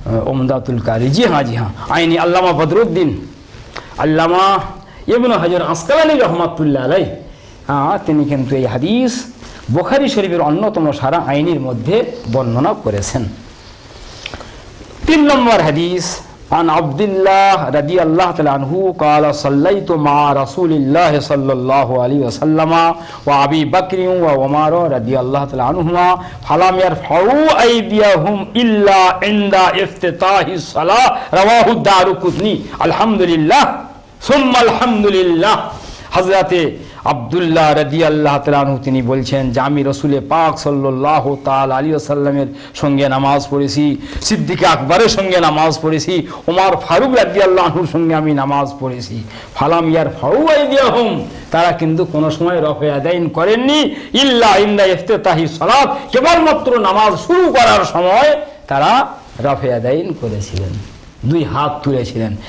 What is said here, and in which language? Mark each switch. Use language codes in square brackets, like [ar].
[bn] উমদাতুল কারি, জি হ্যাঁ জি হ্যাঁ, আইনি আল্লামা বদরুদ্দিন আল্লামা ইবনে হাজার আসকালানী রহমাতুল্লাহ আলাই, তিনি কিন্তু এই হাদিস বুখারী শরীফের অন্যতম সারা আইনির মধ্যে বর্ণনা করেছেন। তিন নম্বর হাদিস, আন আব্দুল্লাহ রাদিয়াল্লাহু তাআলা আনহু [ar] قال صليت مع رسول الله صلى الله عليه وسلم وابي بكر وعمر رضي الله تعالى عنهما فلم يرفعوا ايديهم الا عند افتتاح الصلاه رواه الدارقطني الحمد لله ثم الحمد لله। [bn] حضرت আব্দুল্লাহ রাদিয়াল্লাহু তাআলা আনহু তিনি বলছেন যে আমি রসুলে পাক সাল্লাল্লাহু তাআলা আলাইহি ওয়াসাল্লামের সঙ্গে নামাজ পড়েছি, সিদ্দিক আকবরের সঙ্গে নামাজ পড়েছি, ওমর ফারুক রাদিয়াল্লাহু আনহুর সঙ্গে আমি নামাজ পড়েছি, [ar] ফালাম ইয়ার ফাউ আইদিয়াহুম, [bn] তারা কিন্তু কোনো সময় রফে আদাইন করেননি, [ar] ইল্লা ইন্দা ইফতেতাহি সালাত, [bn] কেবলমাত্র নামাজ শুরু করার সময় তারা রফে আদাইন করেছিলেন, দুই হাত তুলেছিলেন।